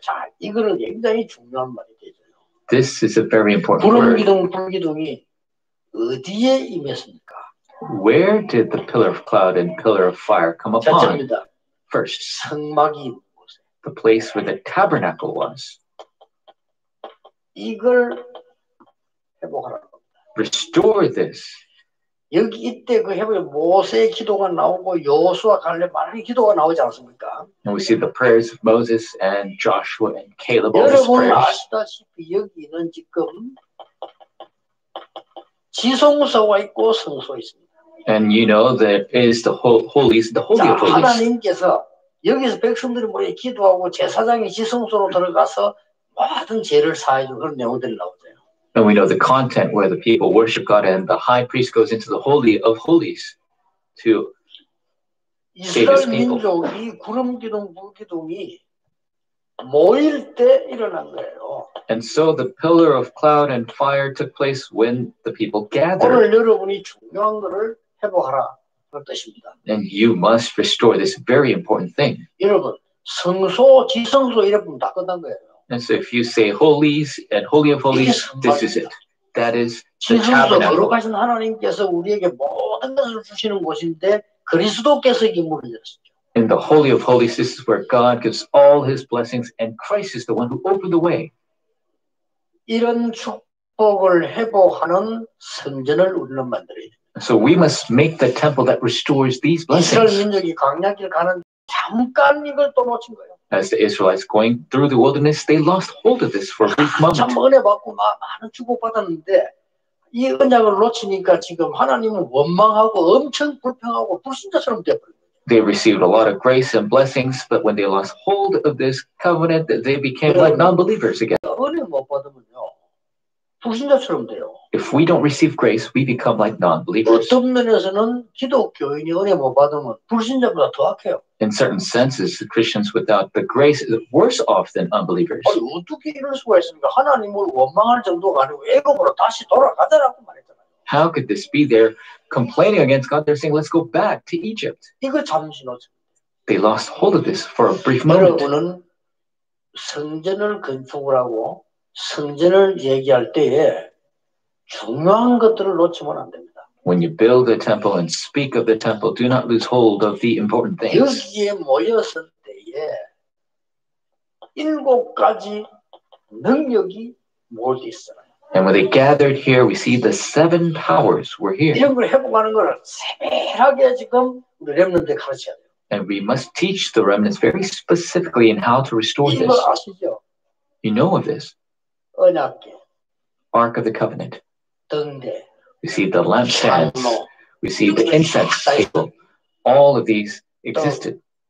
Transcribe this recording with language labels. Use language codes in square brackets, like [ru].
[ko] 자, 이거는 굉장히 중요한 말이 되죠. [en] This is a very important [ko] 구름 [en] word. [ko] 구름 기둥 불 기둥이 어디에 임했습니까? [en] Where did the pillar of cloud and pillar of fire come upon? [ko] 첫째입니다. [en] First, [ko] 성막이 있는 곳에. [en] The place where the tabernacle was. [ko] 이걸 회복하라는 겁니다. [en] Restore this. [ko] 여기 이때 그 해보면 모세의 기도가 나오고 여호수아 갈렙 많은 기도가 나오지 않습니까? [en] And we see the prayers of Moses and Joshua and Caleb. [ko] 여러분 아시다시피 여기는 지금 지성소가 있고 성소 있습니다. [en] And you know that is the holy, the holy of holies. [ko] 하나님께서 여기서 백성들이 모여 기도하고 제사장이 지성소로 들어가서 모든 죄를 사해주는 그런 내용들이 나오죠. [en] And we know the content where the people worship God and the high priest goes into the Holy of Holies to save his people. [ko] 이스라엘 민족이 구름 기둥 불 기둥이 모일 때 일어난 거예요. [en] And so the pillar of cloud and fire took place when the people gathered. [ko] 오늘 여러분이 중요한 것을 회복하라 그 뜻입니다. [en] And you must restore this very important thing. [ko] 여러분 성소 지성소 이런 부분 다 끝난 거예요. [en] And so if you say holies and holy of holies, this is it. That is the tabernacle. [ko] 거룩하신 하나님께서 우리에게 모든 것을 주시는 곳인데 그리스도께서 기물을 주셨죠. [en] In the Holy of Holies, this is where God gives all His blessings, and Christ is the one who opened the way. [ko] 이런 축복을 회복하는 성전을 우리는 만들어야 돼. [en] So we must make the temple that restores these blessings. [ko] 이스라엘 민족이 광야길 가는 잠깐 이걸 또 놓친 거예요. [en] As the Israelites going through the wilderness, they lost hold of this for a brief moment. [ko] 참 은혜 받고 많은 축복 받았는데 이 은약을 놓치니까 지금 하나님은 원망하고 엄청 불평하고 불신자처럼 되어버렸어요. [en] They received a lot of grace and blessings, but when they lost hold of this covenant, they became like non-believers again. [ko] 은혜 못 받으면요, 불신자처럼 돼요. [en] If we don't receive grace, we become like non-believers. [ko] 어떤 면에서는 기독교인이 은혜 못 받으면 불신자보다 더 악해요. [en] In certain senses, the Christians without the grace is worse off than unbelievers. [ko] 아니, 어떻게 이럴 수가 있습니까? 하나님을 원망할 정도가 아니고 애굽으로 다시 돌아가자라고 말했잖아요. [en] How could this be? They're complaining against God. They're saying, let's go back to Egypt. [ko] 이걸 잠시 놓죠. [en] They lost hold of this for a brief moment. [ko] 여러분은 성전을 건축을 하고 성전을 얘기할 때에 중요한 것들을 놓치면 안 됩니다. [en] When you build the temple and speak of the temple, do not lose hold of the important things. [ko] 여기에 모였을 때에 일곱 가지 능력이 모여 있어요. [en] And when they gathered here, we see the seven powers were here. [ko] 이런 걸 회복하는 걸 세밀하게 지금 우리 렘넌트에 가르쳐야 돼요. [en] And we must teach the remnants very specifically in how to restore this. [ko] 이걸 아시죠? [en] You know of this. [ko] 언약궤. [en] Ark of the Covenant. [ko] 등대. [en] We see the lampstands, we see the incense table, all of these existed.